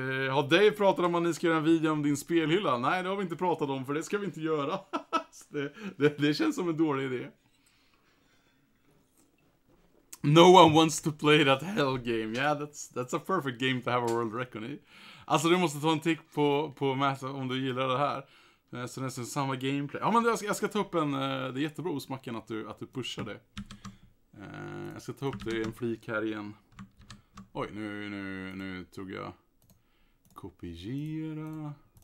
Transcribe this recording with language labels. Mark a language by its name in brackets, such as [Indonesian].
[Swedish] Har Dave pratat om att ni ska göra en video om din spelhylla? Nej, det har vi inte pratat om, för det ska vi inte göra. Det känns som en dålig idé. [English] No one wants to play that hell game. Yeah, that's a perfect game to have a world record in. [Swedish] Alltså, du måste ta en tick på Matt om du gillar det här. Så det är nästan samma gameplay. Ja, men jag ska ta upp en... Det är jättebra osmacken att du pushar det. Jag ska ta upp det i en flik här igen. Oj, nu tog jag kopiera.